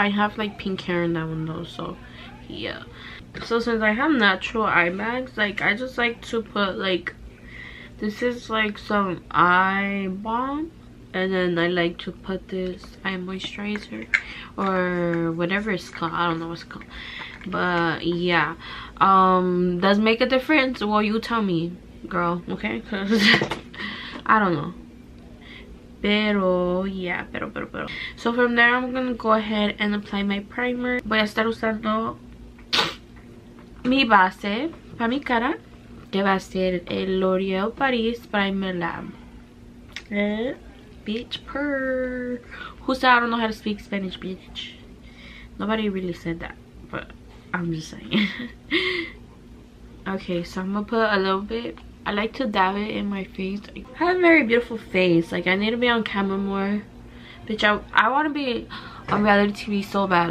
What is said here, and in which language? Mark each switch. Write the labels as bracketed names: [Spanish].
[English] I have like pink hair in that one though, so yeah. So since I have natural eye bags, like I just like to put like, this is like some eye balm, and then I like to put this eye moisturizer or whatever it's called. I don't know what's called, but yeah. Does make a difference? Well, you tell me, girl. Okay, because I don't know. Pero. So from there, I'm gonna go ahead and apply my primer. [Spanish] Voy a estar usando mi base para mi cara, que va a ser el L'Oreal Paris Primer Lab. [English] Bitch purr. Who said I don't know how to speak Spanish, bitch? Nobody really said that, but I'm just saying. Okay, so I'm gonna put a little bit. I like to dab it in my face. I have a very beautiful face. Like, I need to be on camera more. Bitch, I want to be on reality TV so bad.